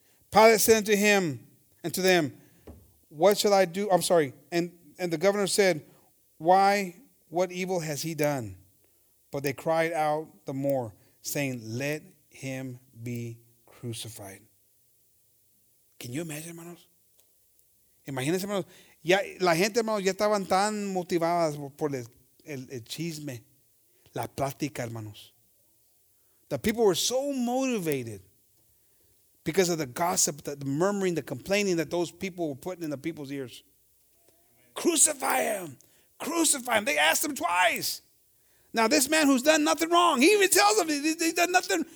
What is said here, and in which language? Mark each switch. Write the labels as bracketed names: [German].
[English] Pilate said unto him and to them, What shall I do? I'm sorry. And the governor said, Why, what evil has he done? But they cried out the more, saying, Let him be crucified. Can you imagine, hermanos? [Spanish] Imagínense, hermanos. Ya, la gente, hermanos, ya estaban tan motivadas por el chisme, la plática, hermanos. [English] The people were so motivated because of the gossip, the murmuring, the complaining that those people were putting in the people's ears. Crucify him. Crucify him. They asked him twice. Now, this man who's done nothing wrong, he even tells them he's done nothing.